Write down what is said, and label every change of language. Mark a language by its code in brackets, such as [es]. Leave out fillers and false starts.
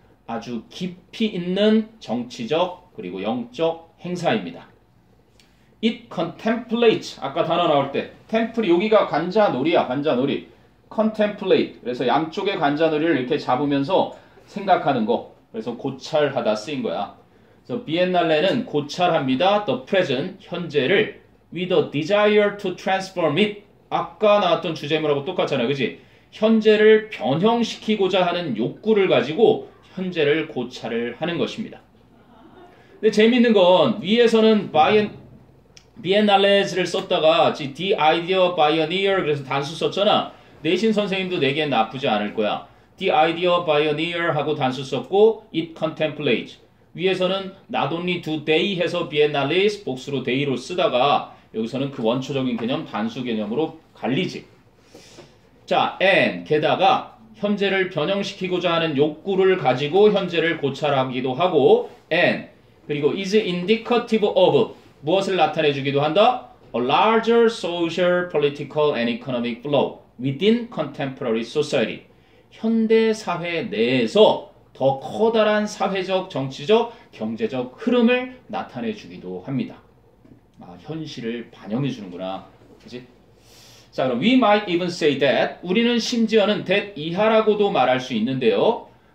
[ko] 아주 깊이 있는 정치적 그리고 영적 행사입니다. [en] It contemplates, [ko] 아까 단어 나올 때, 템플이 여기가 관자놀이야, 관자놀이. [en] contemplate, [ko] 그래서 양쪽의 관자놀이를 이렇게 잡으면서 생각하는 거. 그래서 고찰하다 쓰인 거야. 그래서 비엔날레는 고찰합니다. [en] The present, [ko] 현재를 [en] with a desire to transform it. [ko] 아까 나왔던 주제물하고 똑같잖아, 그지? 현재를 변형시키고자 하는 욕구를 가지고 현재를 고찰을 하는 것입니다. 근데 재밌는 건 위에서는 비엔날레즈를 썼다가 [en] The Idea of Pioneer [ko] 그래서 단수 썼잖아. 내신 선생님도 내게 나쁘지 않을 거야. [en] The Idea of Pioneer [ko] 하고 단수 썼고 [en] It Contemplates [ko] 위에서는 [en] Not Only Do They [ko] 해서 비엔날레즈 복수로 [en] They [ko] 로 쓰다가 여기서는 그 원초적인 개념 단수 개념으로 갈리지. 자, [en] and [ko] 게다가 현재를 변형시키고자 하는 욕구를 가지고 현재를 고찰하기도 하고, and, 그리고 [en] is indicative of, [ko] 무엇을 나타내주기도 한다? [en] A larger social, political, and economic flow within contemporary society. [ko] 현대 사회 내에서 더 커다란 사회적, 정치적, 경제적 흐름을 나타내주기도 합니다. 아, 현실을 반영해주는구나. 그치? 자, 그럼 [en] we might even say that [ko] 우리는 심지어는 [en] that [ko] 이하라고도 말할 수 있는데요.